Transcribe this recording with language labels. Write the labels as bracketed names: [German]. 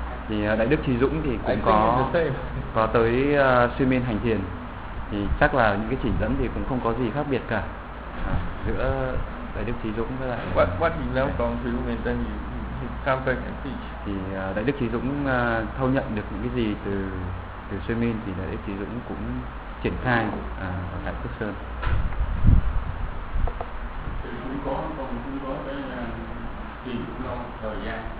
[Vietnamese] Thì Đại Đức Trí Dũng thì cũng có tới suy minh hành thiền. Thì chắc là những cái chỉ dẫn thì cũng không có gì khác biệt cả giữa Đại Đức Trí Dũng với lại [English] What he learned from Trí Dũng and then he come back and teach. [Vietnamese] Thì Đại Đức Trí Dũng thâu nhận được những cái gì từ suy minh thì Đại Đức Trí Dũng cũng triển khai ở Đại Phước Sơn. Thì cũng có cái tìm cũng lâu thời gian.